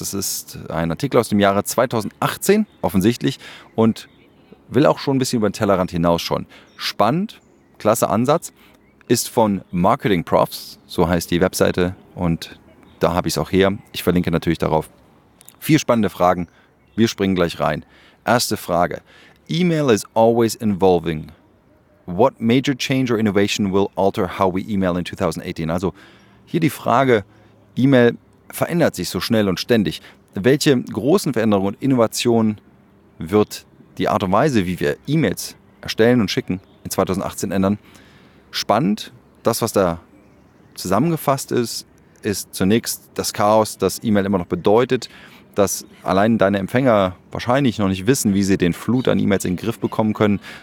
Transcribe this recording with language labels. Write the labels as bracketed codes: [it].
[de] Das ist ein Artikel aus dem Jahre 2018, offensichtlich, und will auch schon ein bisschen über den Tellerrand hinausschauen. Spannend, klasse Ansatz, ist von Marketing Profs, so heißt die Webseite, und da habe ich es auch her. Ich verlinke natürlich darauf. 4 spannende Fragen, wir springen gleich rein. Erste Frage. [en] Email is always evolving. What major change or innovation will alter how we email in 2018? [de] Also hier die Frage, E-Mail verändert sich so schnell und ständig. Welche großen Veränderungen und Innovationen wird die Art und Weise, wie wir E-Mails erstellen und schicken, in 2018 ändern? Spannend, das, was da zusammengefasst ist, ist zunächst das Chaos, das E-Mail immer noch bedeutet, dass allein deine Empfänger wahrscheinlich noch nicht wissen, wie sie den Flut an E-Mails in den Griff bekommen können.